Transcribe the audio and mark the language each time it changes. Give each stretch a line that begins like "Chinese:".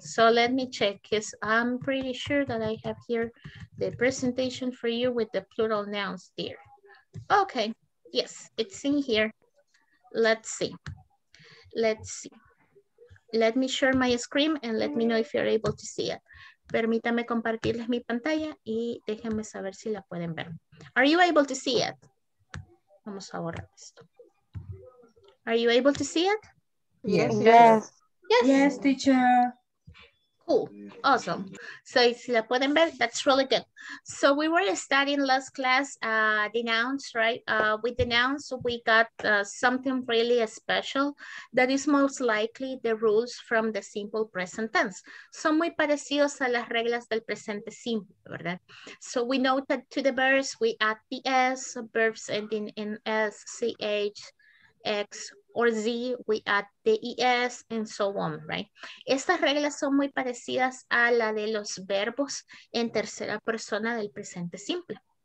English: So let me check, because I'm pretty sure that I have here the presentation for you with the plural nouns there. Okay. Yes, it's in here. Let's see. Let's see. Let me share my screen and let me know if you're able to see it.
Spanish: Permítame compartirles mi pantalla y déjenme saber si la pueden ver.
English: Are you able to see it?
Spanish: Vamos a borrar esto.
English: Are you able to see it? Yes. Yes. Yes, teacher. Cool. Awesome. So,
Spanish: si la pueden ver,
English: that's really good. So, we were studying last class the nouns, right? With the nouns, we got something really special that is most likely the rules from the simple present tense.
Spanish: Son muy parecidos a las reglas del presente simple, ¿verdad?
English: So, we know that to the verbs, we add the S, verbs ending in S, CH, X, or Z, we add the ES, and so on, right?
Spanish: Estas reglas son muy parecidas a la de los verbos en tercera persona del presente simple.